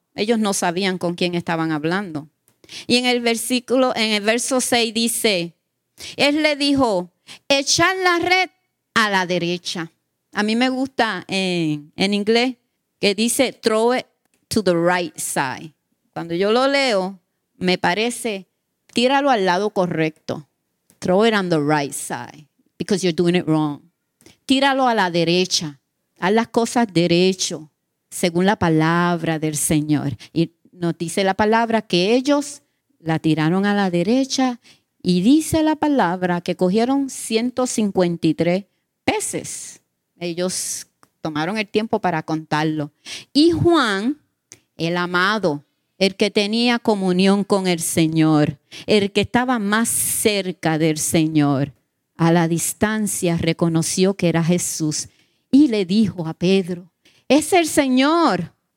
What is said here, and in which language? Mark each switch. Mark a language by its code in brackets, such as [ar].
[es] Ellos no sabían con quién estaban hablando. Y en el versículo, en el verso 6 dice: Él le dijo: echar la red a la derecha. A mí me gusta en inglés que dice [en] throw it to the right side. [es] Cuando yo lo leo, me parece tíralo al lado correcto. [en] Throw it on the right side because you're doing it wrong. [es] Tíralo a la derecha. Haz las cosas derecho según la palabra del Señor. Y nos dice la palabra que ellos la tiraron a la derecha. Y dice la palabra que cogieron 153 peces. Ellos tomaron el tiempo para contarlo. Y Juan, el amado, el que tenía comunión con el Señor, el que estaba más cerca del Señor, a la distancia reconoció que era Jesús y le dijo a Pedro: es el Señor.